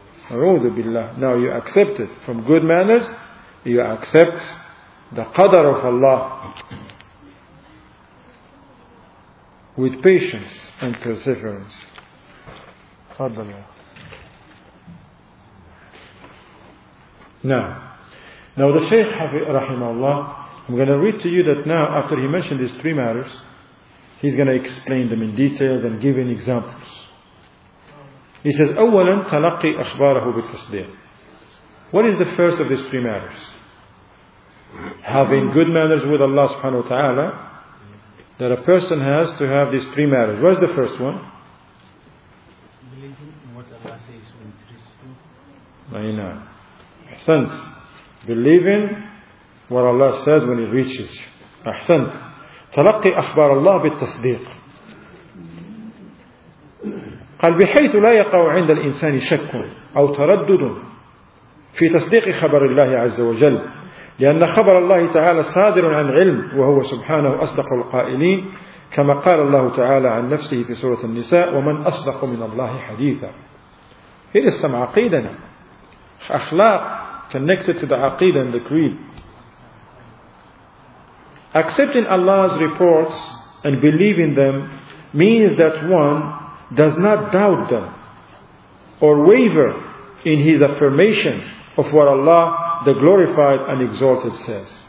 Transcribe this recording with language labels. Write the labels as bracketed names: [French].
[English] Now you accept it from good manners. You accept the Qadr of Allah with patience and perseverance. Qadr. Now the Shaykh Rahimahullah, I'm going to read to you that now, after he mentioned these three matters, he's going to explain them in detail and give examples. He says, [Arabic] أولاً تلقي أخباره بالتصديق. [English] What is the first of these three matters? Having good manners with Allah subhanahu wa ta'ala, that a person has to have these three matters. What's the first one? Believing in what Allah says when it is true. [Arabic] Ma'ina. Ahsant. [English] Believing what Allah says when it reaches you. [Arabic] Ahsant. Talaqi akhbar Allah bit tasdeeq. قال بحيث لا يقع عند الإنسان شك أو تردد في تصديق خبر الله عز وجل. لأن خبر الله تعالى صادر عن علم وهو سبحانه أصدق القائلين كما قال الله تعالى عن نفسه في سورة النساء ومن أصدق من الله حديثا. [English] It is some عقيدة. أخلاق connected to the عقيدة and the creed. Accepting Allah's reports and believing them means that one does not doubt them or waver in his affirmation of what Allah the glorified and exalted says.